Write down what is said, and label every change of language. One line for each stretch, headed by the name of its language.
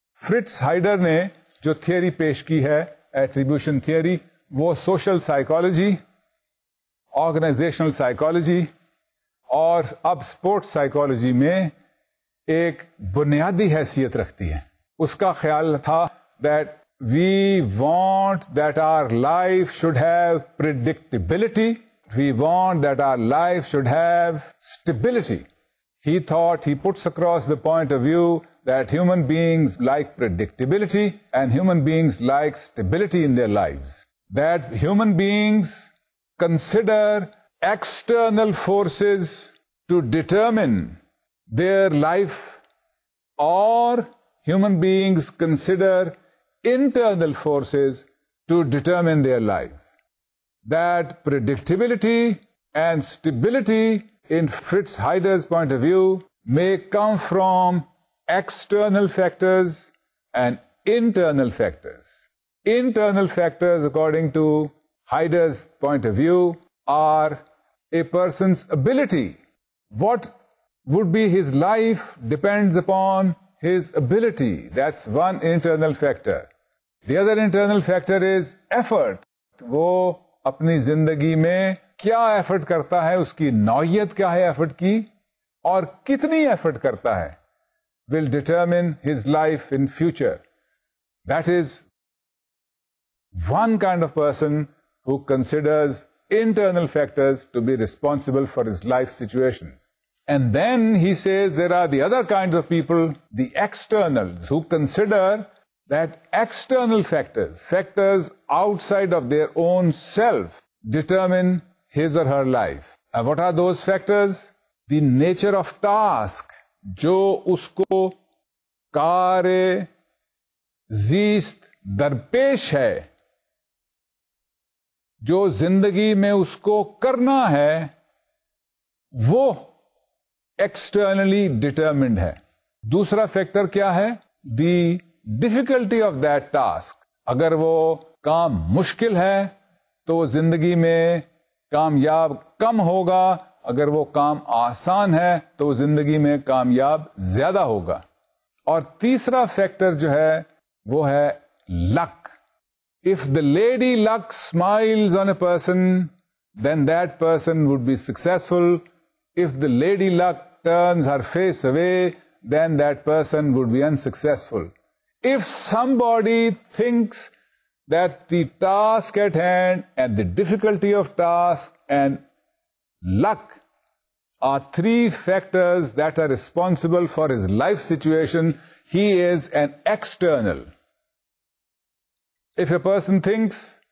Urdu: Fritz ہائیڈر نے جو theory پیش کی ہے ایٹریبیوشن تھیوری وہ سوشل سائیکالوجی، آرگنائزیشنل سائیکالوجی اور اب سپورٹس سائیکالوجی میں ایک بنیادی حیثیت رکھتی ہے. اس کا خیال تھا
English: That we want that our life should have predictability, we want that our life should have stability. He thought, he puts across the point of view that human beings like predictability and human beings like stability in their lives. That human beings consider external forces to determine their life or human beings consider internal forces to determine their life. That predictability and stability in Fritz Heider's point of view may come from external factors and internal factors. Internal factors, according to Heider's point of view, are a person's ability. What would be his life depends upon his ability. That's one internal factor. The other internal factor is effort.
Urdu: Woh apni zindagi mein کیا effort کرتا ہے، اس کی نوعیت کیا ہے effort کی اور کتنی ایفرٹ کرتا ہے
English: will determine his life in future. That is one kind of person who considers internal factors to be responsible for his life situations. And then he says there are the other kinds of people, the externals, who consider that external factors outside of their own self determine his or her life. And what are those factors? The nature of task
Urdu: جو اس کو کار زیست درپیش ہے، جو زندگی میں اس کو کرنا ہے، وہ externally determined ہے. دوسرا factor کیا ہے؟
English: The difficulty of that task.
Urdu: اگر وہ کام مشکل ہے تو زندگی میں کامیاب کم ہوگا، اگر وہ کام آسان ہے تو زندگی میں کامیاب زیادہ ہوگا. اور تیسرا فیکٹر جو ہے وہ ہے لک.
English: If the lady luck smiles on a person, then that person would be successful. If the lady luck turns her face away, then that person would be unsuccessful. If somebody thinks that the task at hand and the difficulty of task and luck are three factors that are responsible for his life situation, he is an external. If a person thinks